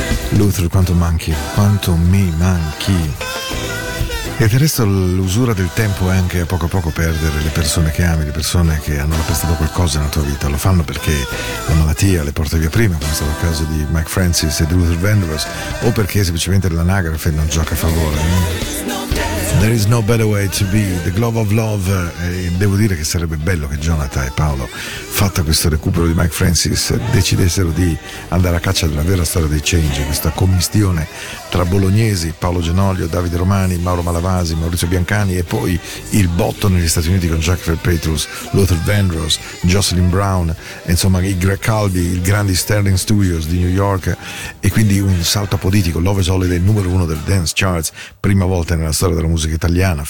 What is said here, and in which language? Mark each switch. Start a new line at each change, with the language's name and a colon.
Italian: Luther, quanto manchi, quanto mi manchi. E del resto l'usura del tempo è anche a poco perdere le persone che ami, le persone che hanno prestato qualcosa nella tua vita. Lo fanno perché la malattia le porta via prima, come è stato il caso di Mike Francis e di Luther Vandross, o perché semplicemente l'anagrafe non gioca a favore, no?
English: There is no better way to be the glove of love.
Italian: E devo dire che sarebbe bello che Jonathan e Paolo, fatto questo recupero di Mike Francis, decidessero di andare a caccia della vera storia dei Change, questa commistione tra bolognesi, Paolo Genoglio, Davide Romani, Mauro Malavasi, Maurizio Biancani e poi il botto negli Stati Uniti con Jacques Petrus, Luther Vandross, Jocelyn Brown, insomma i Greg Caldi, il grandi Sterling Studios di New York, e quindi un salto apodittico, Love is Holiday numero uno del dance charts, prima volta nella storia della musica italiana.